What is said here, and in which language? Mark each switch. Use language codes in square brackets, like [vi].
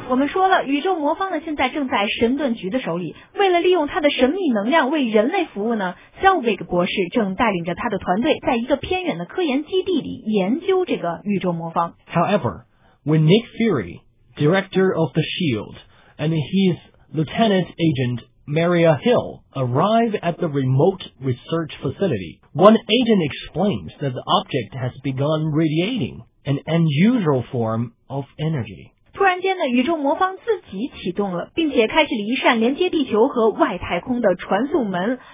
[zh] 我们说了，宇宙魔方呢，现在正在神盾局的手里。为了利用他的神秘能量为人类服务呢 ，Selvig 博士正带领着他的团队，在一个偏远的科研基地里研究这个宇宙魔方。 [en] However, when Nick Fury, director of the Shield, and his lieutenant agent. Maria Hill arrive at the remote research facility. One agent explains that the object has begun radiating an unusual form of energy. [zh] 突然间呢，宇宙魔方自己启动了，并且开启了一扇连接地球和外太空的传送门。